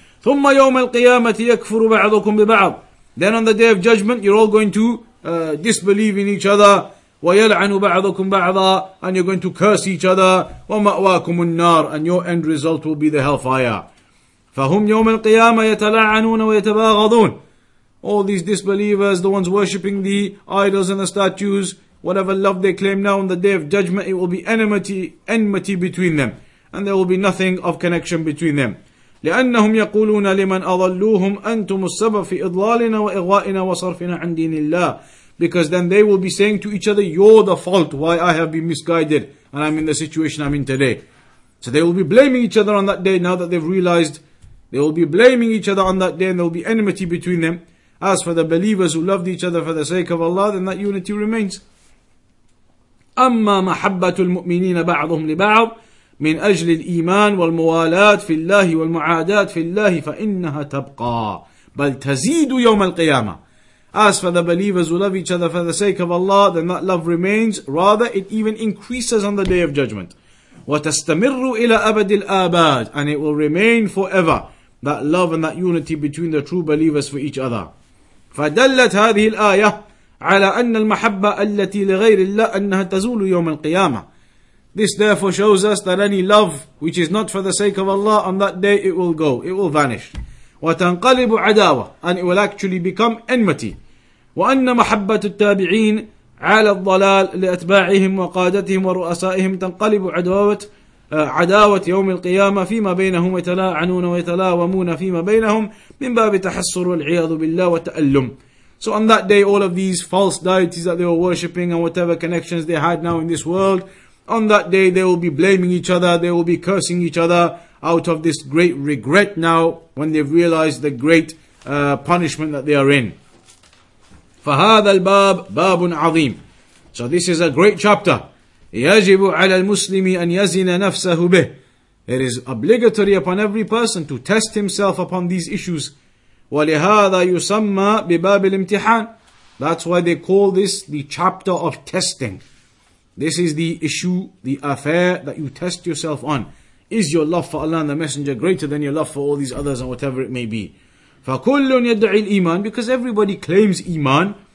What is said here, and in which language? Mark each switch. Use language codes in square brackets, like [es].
[ar] ثُمَّ يَوْمَ الْقِيَامَةِ يَكْفُرُ بَعْضُكُمْ بِبَعْضٍ. [en] Then on the Day of Judgment you're all going to disbelieve in each other, [ar] وَيَلْعَنُ بَعْضُكُمْ بَعْضًا, [en] and you're going to curse each other, [ar] وَمَأْوَاكُمُ النَّارِ, [en] and your end result will be the hellfire. [ar] فَهُمْ يَوْمَ الْقِيَامَةِ يَتَلَعَنُونَ وَيَتَبَاغَضُونَ. [en] All these disbelievers, the ones worshipping the idols and the statues, whatever love they claim now on the Day of Judgment, it will be enmity between them, and there will be nothing of connection between them. [ar] لأنهم يقولون لمن أضلوهم أنتم السبب في إضلالنا وإغوائنا وصرفنا عن دين الله. [en] Because then they will be saying to each other, you're the fault why I have been misguided and I'm in the situation I'm in today. So they will be blaming each other on that day now that they've realized. They will be blaming each other on that day and there will be enmity between them. As for the believers who loved each other for the sake of Allah, then that unity remains. [ar] أما محبة المؤمنين بعضهم لبعض من أجل الإيمان والموالاة في الله والمعاداة في الله فإنها تبقى بل تزيد يوم القيامة. [en] As for the believers who love each other for the sake of Allah, then that love remains. Rather, it even increases on the Day of Judgment. [ar] وتستمر إلى أبد الآباد. [en] And it will remain forever. That love and that unity between the true believers for each other. [ar] فدلت هذه الآية على أن المحبة التي لغير الله أنها تزول يوم القيامة. [en] This therefore shows us that any love which is not for the sake of Allah on that day, it will go, it will vanish. [ar] وتنقلب عداوة, [en] and it will actually become enmity. [ar] وأن محبة التابعين على الضلال لأتباعهم وقادتهم ورؤسائهم تنقلب عداوة يوم القيامة فيما بينهم يتلاعنون ويتلاومون فيما بينهم من باب تحسر والعياذ بالله وتألم. [en] So on that day, all of these false deities that they were worshipping and whatever connections they had now in this world, on that day they will be blaming each other, they will be cursing each other out of this great regret now when they've realized the great punishment that they are in. [ar] فهذا الباب باب عظيم. [en] So this is a great chapter. [ar] يجب على المسلم أن يزن نفسه به. [en] It is obligatory upon every person to test himself upon these issues. [ar] ولهذا يسمى بباب الامتحان. [en] That's why they call this the chapter of testing. This is the issue, the affair that you test yourself on. Is your love for Allah and the Messenger greater than your love for all these others and whatever it may be? [ar] فَكُلٌّ يَدْعِي الْإِيمَانِ, [en] because everybody claims Iman.